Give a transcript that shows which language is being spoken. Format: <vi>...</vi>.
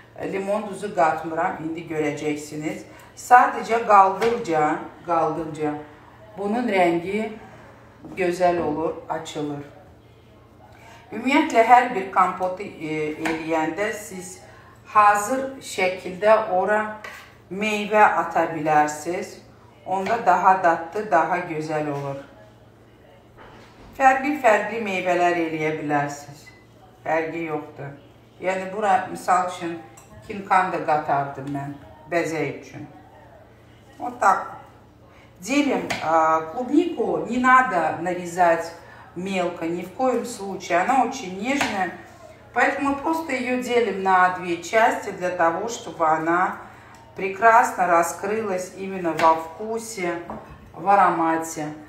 <az>Limon duzu qatmıram, indi görəcəksiniz. Sadəcə qaldıqca bunun rəngi gözəl olur, açılır. Ümumiyyətlə, hər bir kompotu eləyəndə siz hazır şəkildə ora meyvə ata bilərsiniz. Onda daha dadlı, daha gözəl olur. Fərqli-fərqli meyvələr eləyə bilərsiniz. Fərqi yoxdur. Yəni, bura, misal üçün, kinkan da qatardım mən bəzək üçün. O tak.</az> <ru>Делим клубнику, не надо нарезать мелко, ни в коем случае. Она очень нежная, поэтому просто ее делим на две части, для того, чтобы она прекрасно раскрылась именно во вкусе, в аромате.</ru>